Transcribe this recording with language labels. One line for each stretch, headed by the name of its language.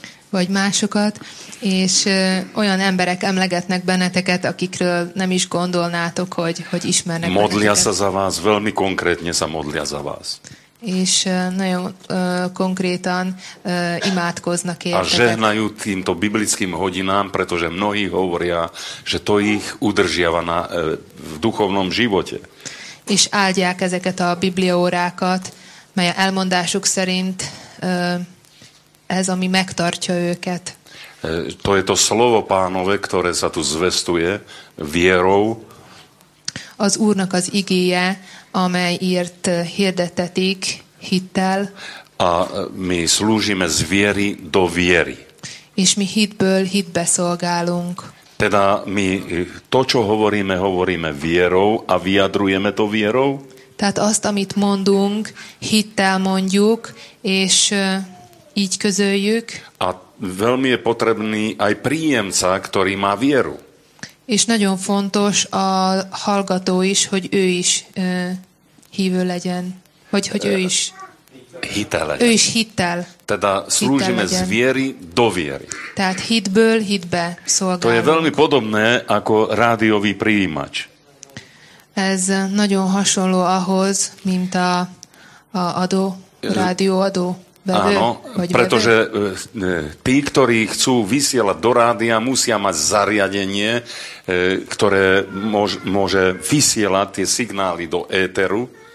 Hungarian: Vagy másokat, és olyan emberek emlegetnek benneteket, akikről nem is gondolnátok, hogy ismernek benneteket.
Slovak: Modlia sa za vás, veľmi konkrétne sa modlia za vás.
Hungarian: És nagyon konkrétan imádkoznak értetek.
Slovak: A žehnajú týmto biblickým hodinám, pretože mnohí hovoria, že to ich udržiava na v duchovnom živote.
Hungarian: És áldják ezeket a bibliaórákat, mely a elmondásuk szerint ez, ami megtartja őket.
Slovak: To je to slovo pánové, ktoré sa tu zvestuje vierou.
Hungarian: Az Úrnak az igéje, amelyért hirdetetik hittel.
Slovak: A my slúžime z viery do viery.
Hungarian: És mi hitből hitbe szolgálunk.
Slovak: Teda my to, čo hovoríme, hovoríme vierou a vyjadrujeme to vierou.
Hungarian: Tehát azt, amit mondunk, hittel mondjuk, és így közöljük.
Slovak: A veľmi je potrebný aj príjemca, ktorý má vieru.
Hungarian: És nagyon fontos a hallgató is, hogy ő is hívő legyen. Vagy hogy ő is hittel legyen. Ő is hittel.
Slovak: Teda slúžime z viery do viery.
Hungarian: Tehát hitből hitbe szolgálunk.
Slovak: To je veľmi podobné ako rádiový prijímač.
Hungarian: Ez nagyon hasonló ahhoz, mint a adó, rádióadó vevő.
Slovak: Áno, pretože tí, ktorí chcú vysielať do rádia, musia mať zariadenie, ktoré môže vysielať tie signály do éteru.